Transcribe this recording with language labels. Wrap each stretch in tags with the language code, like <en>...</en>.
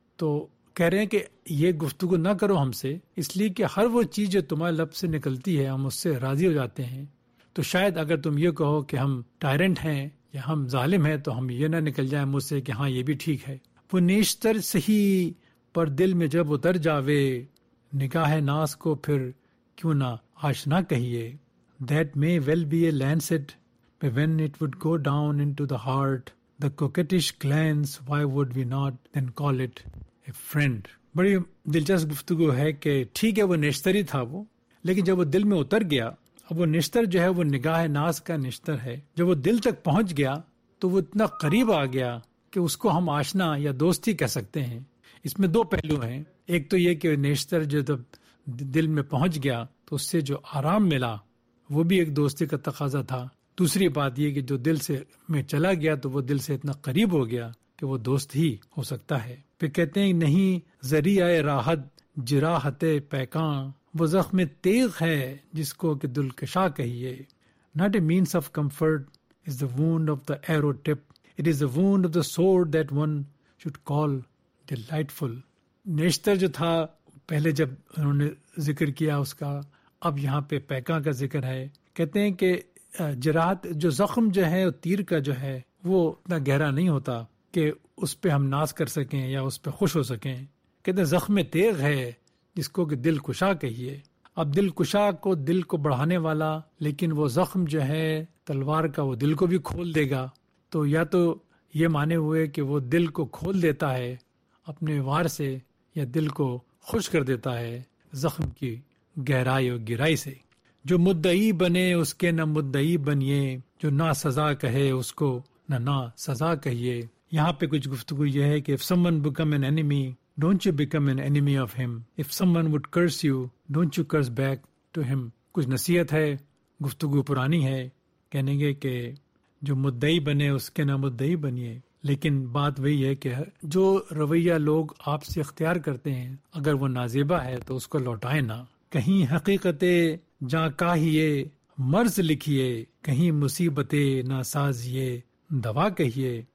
<ur>تو کہہ رہے ہیں کہ یہ گفتگو نہ کرو ہم سے، اس لیے کہ ہر وہ چیز جو تمہارے لب سے نکلتی ہے ہم اس سے راضی ہو جاتے ہیں. تو شاید اگر تم یہ کہو کہ ہم ٹائرنٹ ہیں یا ہم ظالم ہیں تو ہم یہ نہ نکل جائیں مجھ سے کہ ہاں یہ بھی ٹھیک ہے. وہ نیشتر سہی پر دل میں جب اتر جاوے، نگاہ ناس کو پھر کیوں نہ آشنا کہیے.</ur> <en>That may well be a lancet when it would go down into the heart the coquettish glance, why would we not then call it a friend.</en> <ur>بڑی دلچسپ گفتگو ہے کہ ٹھیک ہے وہ نیشتر ہی تھا وہ، لیکن جب وہ دل میں اتر گیا، اب وہ نشتر جو ہے وہ نگاہ ناس کا نشتر ہے، جب وہ دل تک پہنچ گیا تو وہ اتنا قریب آ گیا کہ اس کو ہم آشنا یا دوستی کہہ سکتے ہیں. اس میں دو پہلو ہیں، ایک تو یہ کہ نشتر جو جب دل میں پہنچ گیا تو اس سے جو آرام ملا وہ بھی ایک دوستی کا تقاضا تھا، دوسری بات یہ کہ جو دل سے میں چلا گیا تو وہ دل سے اتنا قریب ہو گیا کہ وہ دوست ہی ہو سکتا ہے. پھر کہتے ہیں نہیں ذریعہ راحت جراحت پیکاں، وہ زخم تیغ ہے جس کو کہ دلکشا کہیے.</ur> <en>Not a means of comfort is the wound of the arrow tip, it is the wound of the sword that one should call delightful.</en> <ur>نیشتر جو تھا پہلے جب انہوں نے ذکر کیا اس کا، اب یہاں پہ پیکاں کا ذکر ہے. کہتے ہیں کہ جراحت جو زخم جو ہے تیر کا جو ہے وہ اتنا گہرا نہیں ہوتا کہ اس پہ ہم ناز کر سکیں یا اس پہ خوش ہو سکیں. کہتے ہیں زخم تیغ ہے جس کو کہ دل کشا کہیے. اب دل کشا کو دل کو بڑھانے والا، لیکن وہ زخم جو ہے تلوار کا وہ دل کو بھی کھول دے گا. تو یا تو یہ مانے ہوئے کہ وہ دل کو کھول دیتا ہے اپنے وار سے، یا دل کو خوش کر دیتا ہے زخم کی گہرائی اور گہرائی سے. جو مدعی بنے اس کے نہ مدعی بنیے، جو نہ سزا کہے اس کو نہ نہ سزا کہیے. یہاں پہ کچھ گفتگو یہ ہے کہ</ur> <en>if someone become an enemy, don't you become an enemy of him. If someone would curse you, don't you curse back to him.</en> <ur>کچھ نصیحت ہے، گفتگو پرانی ہے، کہنے گے کہ جو مدعی بنے اس کے نہ مدعی بنیے. لیکن بات وہی ہے کہ جو رویہ لوگ آپ سے اختیار کرتے ہیں، اگر وہ نازیبا ہے تو اس کو لوٹائیں نہ. کہیں حقیقتے جاں کاہیے مرض لکھیے، کہیں مصیبتے نہ سازیے دوا کہیے.</ur>